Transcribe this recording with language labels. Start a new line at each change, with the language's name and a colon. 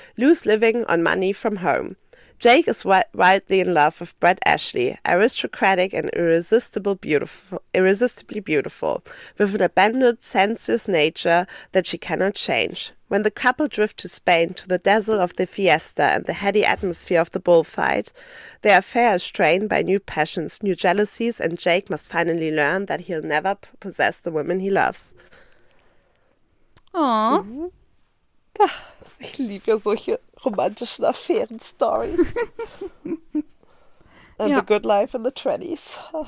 English: Loose living on money from home. Jake is wildly in love with Brett Ashley, aristocratic and irresistibly beautiful, with an abandoned, sensuous nature that she cannot change. When the couple drift to Spain to the dazzle of the fiesta and the heady atmosphere of the bullfight, their affair is strained by new passions, new jealousies, and Jake must finally learn that he'll never possess the woman he loves. Aww. Mm-hmm.
German: Ach, ich liebe ja solche romantischen Affären-Stories.
English: And ja, the good life in the 20s.